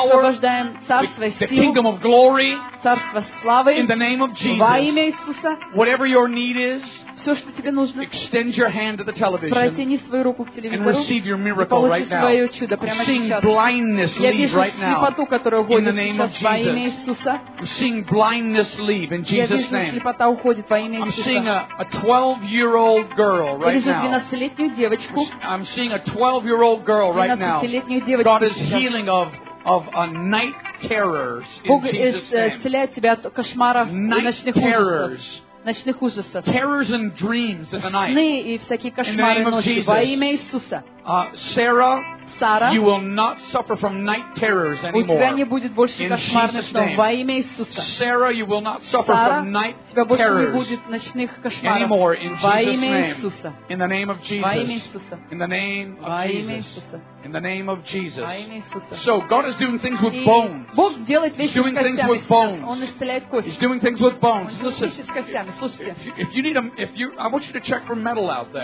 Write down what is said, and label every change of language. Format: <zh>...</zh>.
<ru>мы высвобождаем царство силы,</ru> <en>the kingdom of glory,</en> <ru>царство славы.</ru> <en>In the name of Jesus,</en> <ru>во имя Иисуса,</ru> <en>whatever your need is,</en> <ru>все, что тебе нужно,</ru> <en>extend your hand to the television,</en> <ru>протяни свою руку к телевизору,</ru> <en>and receive your miracle right now.</en> <ru>Получи свое чудо прямо сейчас.</ru> <en>I'm seeing blindness leave right now.</en> <ru>Я вижу слепоту, которая уходит.</ru> <en>In the name of Jesus, I'm seeing blindness leave in Jesus' name.</en> <ru>Я вижу слепота уходит во имя Иисуса.</ru> <en>I'm seeing a 12-year-old girl right now. I'm seeing a 12-year-old girl right now. God is healing of a night terrors in Jesus' name. Night terrors.</en> <ru>Ночных ужасов.</ru> <en>Terrors and dreams of the night.</en> <ru>Сны и всякие кошмары ночи. Во имя Иисуса.</ru> <en>Sarah. Sarah. You will not suffer from night terrors anymore.</en> <ru>У тебя не будет больше кошмарных снов. Во имя Иисуса.</ru> <en>Sarah, you will not suffer from night terrors.</en> <ru>У тебя больше не будет ночных кошмаров.</ru> <en>Anymore in Jesus' name.</en> <ru>Во имя Иисуса.</ru> <en>In the name of Jesus.</en> <ru>Во имя Иисуса.</ru> <en>In the name of Jesus.</en> <ru>Во имя Иисуса.</ru> <en>In the name of Jesus. So God is doing things with bones.</en> <ru>Бог делает вещи с костями.</ru> <en>He's doing things with bones.</en> <ru>Он исцеляет кости.</ru> <en>He's doing things with bones.</en> <ru>Он делает вещи с костями. Слушайте.</ru> <en>If you need a, if you, I want you to check for metal out there.</en>